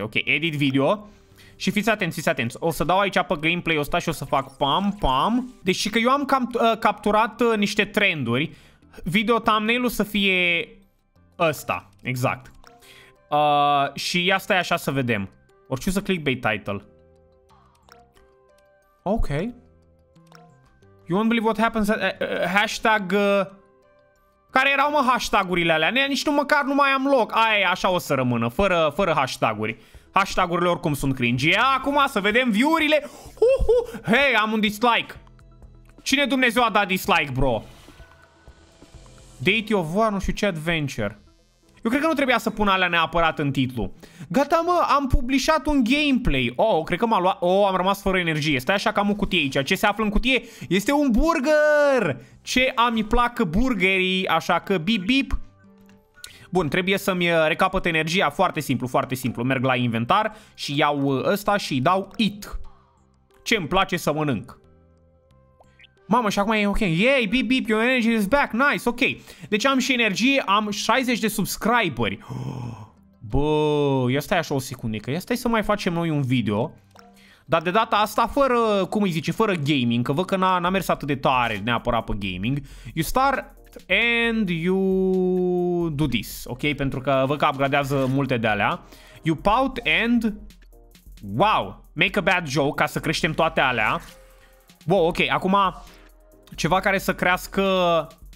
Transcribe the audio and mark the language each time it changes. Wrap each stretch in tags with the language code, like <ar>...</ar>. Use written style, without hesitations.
<ro>Ok, edit video. Și fiți atenți. O să dau aici pe gameplay ăsta și o să fac pam. Deci că eu am capturat niște trenduri. Video thumbnail-ul să fie ăsta. Exact. Și ia stai așa să vedem. Orice să clickbait title. Ok.</ro> <en>You won't believe what happens at, hashtag</en> <ro>Care erau, mă, hashtagurile alea? Nici nu măcar nu mai am loc. Aia e, așa o să rămână, fără hashtaguri. Hashtagurile oricum sunt cringe. Ia, acum să vedem view-urile. Hei, am un dislike. Cine Dumnezeu a dat dislike, bro? Date of War, nu știu ce adventure. Eu cred că nu trebuia să pun alea neapărat în titlu. Gata, mă, am publicat un gameplay. Oh, cred că m-a luat... Oh, am rămas fără energie. Stai așa că am o cutie aici. Ce se află în cutie? Este un burger! Ce am-i plac burgerii, așa că bip-bip. Bun, trebuie să-mi recapăt energia. Foarte simplu, foarte simplu. Merg la inventar și iau ăsta și dau eat. Ce îmi place să mănânc. Mamă, și acum e ok.</ro> <en>Yay, beep, beep, your energy is back. Nice, ok.</en> <ro>Deci am și energie, am 60 de subscriberi. Bă, ia stai așa o secundică. Ia stai să mai facem noi un video. Dar de data asta, fără, cum îi zice, fără gaming. Că văd că n-a mers atât de tare neapărat pe gaming.</ro> <en>You start and you do this.</en> <ro>Ok, pentru că văd că upgradează multe de alea.</ro> <en>You pout and...</en> <ro>Wow,</ro> <en>make a bad joke</en> <ro>ca să creștem toate alea. Wow, ok, acum ceva care să crească.</ro>